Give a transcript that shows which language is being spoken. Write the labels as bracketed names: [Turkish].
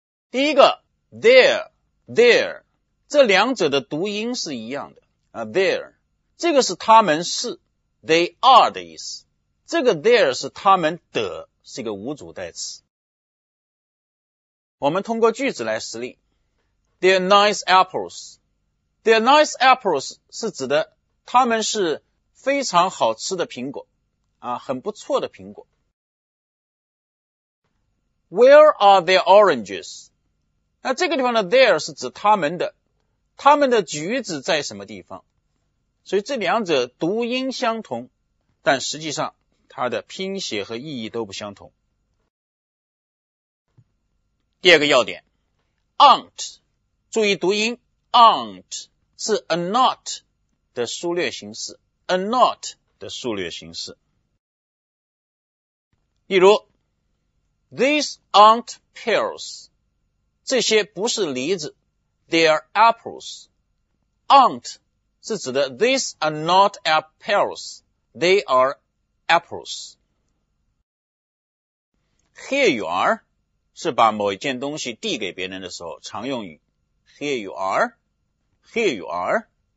[Chinese] 第一个 there 这两者的读音是一样的啊， there 这个是他们是 they are 的意思，这个 there 是他们的，是一个无主代词。我们通过句子来实例。 [English] They're nice apples。 They're nice apples [Chinese] 是指的他们是非常好吃的苹果啊，很不错的苹果。 [English] Where are their oranges？ [Chinese] 那这个地方的 there 是指他们的，他们的橘子在什么地方？所以这两者读音相同，但实际上它的拼写和意义都不相同。第二个要点 aren't， 注意读音 aren't 是 are not 的缩略形式 are not 的缩略形式。 [English] 例如 These aren't pears [Chinese] 这些不是梨子 [English] They are apples aren't 是指的 These are not pears They are apples Here you are [Chinese] 是把某一件东西递给别人的时候常用语 [English] Here you are Here you are